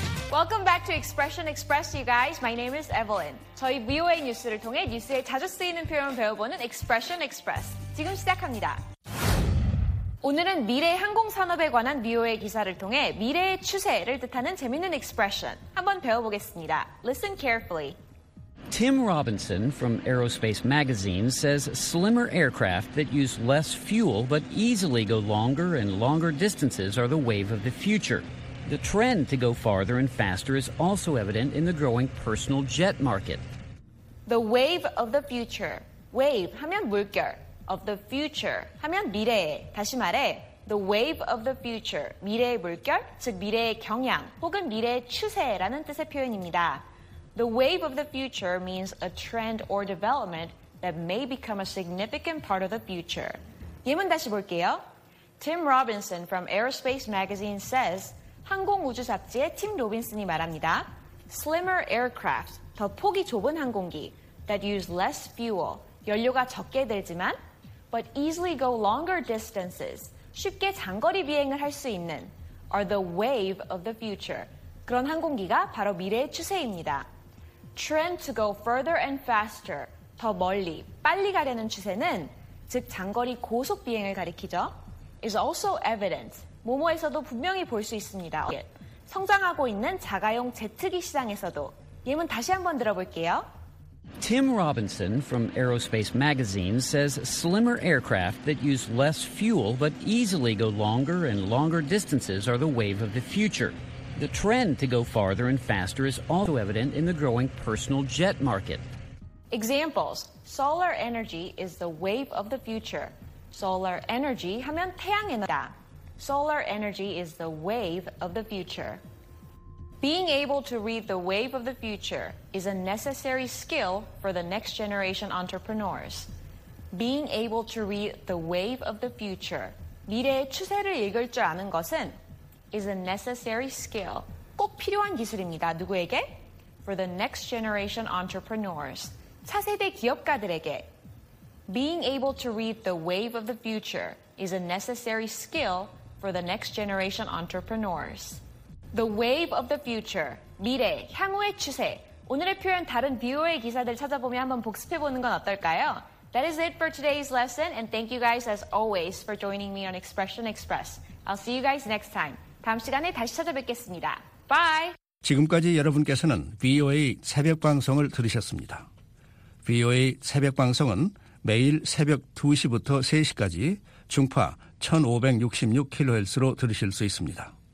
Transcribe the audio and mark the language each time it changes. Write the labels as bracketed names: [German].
[English] Welcome back to Expression Express, you guys. My name is Evelyn. [Korean] 저희 VOA 뉴스를 통해 뉴스에 자주 쓰이는 표현을 배워보는 Expression Express. 지금 시작합니다. 오늘은 미래 항공산업에 관한 VOA 기사를 통해 미래의 추세를 뜻하는 재미있는 expression 한번 배워보겠습니다. [English] Listen carefully. Tim Robinson from Aerospace Magazine says slimmer aircraft that use less fuel but easily go longer and longer distances are the wave of the future. The trend to go farther and faster is also evident in the growing personal jet market. The wave of the future. Wave [Korean] 하면 물결. [English] Of the future [Korean] 하면 미래에. 다시 말해, [English] the wave of the future. [Korean] 미래의 물결, 즉 미래의 경향 혹은 미래의 추세라는 뜻의 표현입니다. [English] The wave of the future means a trend or development that may become a significant part of the future. [Korean] 예문 다시 볼게요. [English] Tim Robinson from Aerospace Magazine says, [Korean] 항공우주잡지의 팀 로빈슨이 말합니다. [English] Slimmer aircraft, [Korean] 더 폭이 좁은 항공기, [English] that use less fuel, [Korean] 연료가 적게 들지만, [English] but easily go longer distances, [Korean] 쉽게 장거리 비행을 할 수 있는, [English] are the wave of the future. [Korean] 그런 항공기가 바로 미래의 추세입니다. [English] Trend to go further and faster, [Korean] 더 멀리, 빨리 가려는 추세는, 즉 장거리 고속 비행을 가리키죠, [English] is also evident. [Korean] 모모에서도 분명히 볼 수 있습니다. 성장하고 있는 자가용 제트기 시장에서도. 예문 다시 한번 들어볼게요. [English] Tim Robinson from Aerospace Magazine says slimmer aircraft that use less fuel but easily go longer and longer distances are the wave of the future. The trend to go farther and faster is also evident in the growing personal jet market. Examples. Solar energy is the wave of the future. [Korean] Solar energy 하면 태양입니다. [English] Solar energy is the wave of the future. Being able to read the wave of the future is a necessary skill for the next generation entrepreneurs. Being able to read the wave of the future, [Korean] 미래의 추세를 읽을 줄 아는 것은 [English] is a necessary skill, [Korean] 꼭 필요한 기술입니다. 누구에게? [English] For the next generation entrepreneurs, [Korean] 차세대 기업가들에게. [English] Being able to read the wave of the future is a necessary skill for the next generation entrepreneurs. The wave of the future, [Korean] 미래, 향후의 추세. 오늘의 표현 다른 VOA 기사들 찾아보며 한번 복습해보는 건 어떨까요? [English] That is it for today's lesson, and thank you guys as always for joining me on Expression Express. I'll see you guys next time. [Korean] 다음 시간에 다시 찾아뵙겠습니다. [English] Bye! [Korean] 지금까지 여러분께서는 VOA 새벽 방송을 들으셨습니다. VOA 새벽 방송은 매일 새벽 2시부터 3시까지 중파 1566kHz로 들으실 수 있습니다.